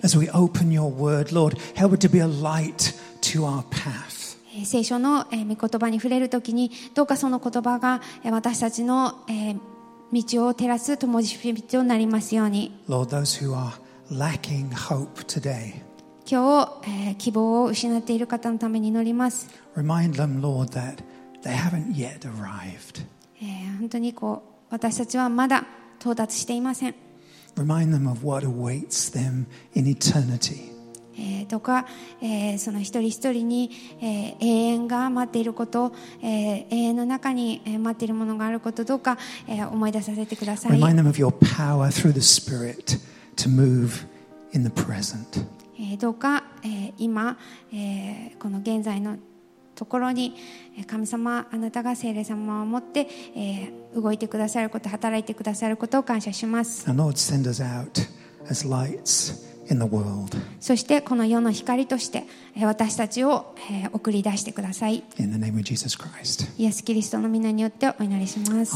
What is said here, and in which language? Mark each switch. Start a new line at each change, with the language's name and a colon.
English: As we open your word, Lord, help it to be a light to our path.
Japanese: 聖書の、御言葉に触れるときにどうかその言葉が、私たちの、道を照らす灯火となりますように。
English: Lord, those who are lacking hope today.
Japanese: 今日、希望を失っている方のために祈ります。
English: Remind them, Lord, that they haven't yet arrived.
Japanese: 本当にこう私たちはまだ到達していません。
English: Remind them of what awaits them in eternity.
Japanese: どうか、その一人一人に、永遠が待っていること、永遠の中に、待っているものがあることどうか、思い出させてください。
English: Remind them of your power through the Spirit to move in the present.
Japanese: どうか、今、この現在のところに神様、あなたが聖霊様をもって、動いてくださること、働いてくださることを感謝します。
English: The Lord send us out as lights in the world.
Japanese: そしてこの世の光として私たちを送り出してください。
English: In the name of Jesus Christ.
Japanese: イエス・キリストの皆によってお祈りします。